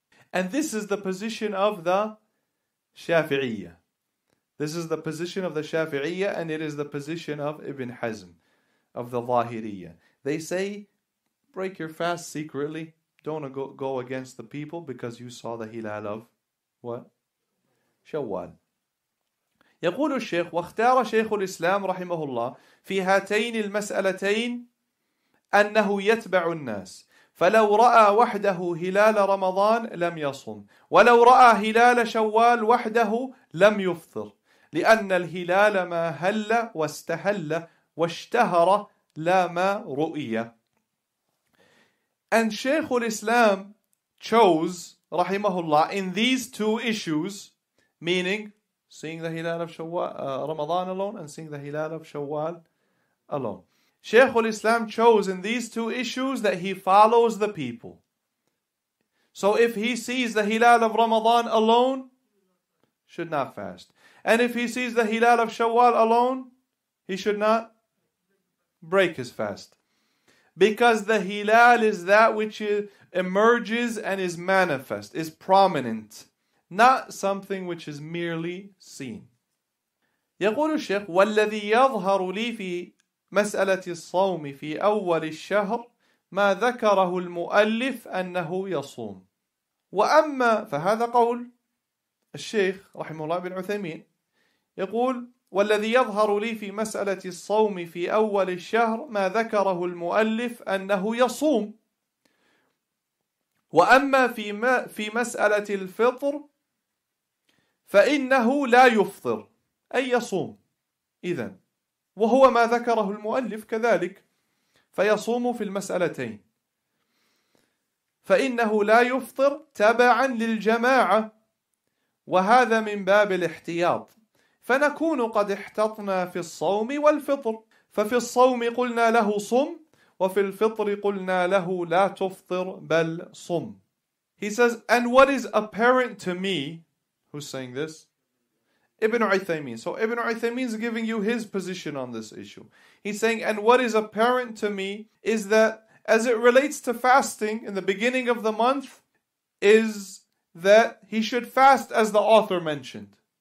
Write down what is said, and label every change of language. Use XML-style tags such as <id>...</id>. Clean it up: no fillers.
<en>And this is the position of the Shafi'iyya. This is the position of the Shafi'iyya and it is the position of Ibn Hazm, of the Zahiriyya. They say, break your fast secretly. Don't go against the people because you saw the hilal of what? Shawwal.</en> <ar>يقول الشيخ واختار شيخ الإسلام رحمه الله في هاتين المسألتين أنه يتبع الناس. فلو رأى وحده هلال رمضان لم يصم ولو رأى هلال شوال وحده لم يفطر لأن الهلال ما هل واستهل واشتهر لا ما رؤية.</ar> <en>And Shaykh al-Islam chose rahimahullah in these two issues, meaning seeing the hilal of Ramadan alone and seeing the hilal of Shawwal alone. Shaykh al-Islam chose in these two issues that he follows the people. So if he sees the hilal of Ramadan alone, should not fast. And if he sees the hilal of Shawwal alone, he should not break his fast. Because the hilal is that which emerges and is manifest, is prominent. Not something which is merely seen.</en> <ar>يقول الشيخ والذي يظهر لي في مسألة الصوم في أول الشهر ما ذكره المؤلف أنه يصوم وأما فهذا قول الشيخ رحمه الله بن عثيمين يقول والذي يظهر لي في مسألة الصوم في أول الشهر ما ذكره المؤلف أنه يصوم وأما في مسألة الفطر فإنه لا يفطر أي يصوم إذن وهو ما ذكره المؤلف كذلك. فيصوم في المسألتين. فإنه لا يفطر تبعا للجماعة، وهذا من باب الاحتياط، فنكون قد احتطنا في الصوم والفطر. ففي الصوم قلنا له صم، وفي الفطر قلنا له لا تفطر بل صم.</ar> <en>He says, and what is apparent to me, who's saying this? Ibn Uthaymeen. So Ibn Uthaymeen is giving you his position on this issue. He's saying, and what is apparent to me is that as it relates to fasting in the beginning of the month, is that he should fast as the author mentioned.</en>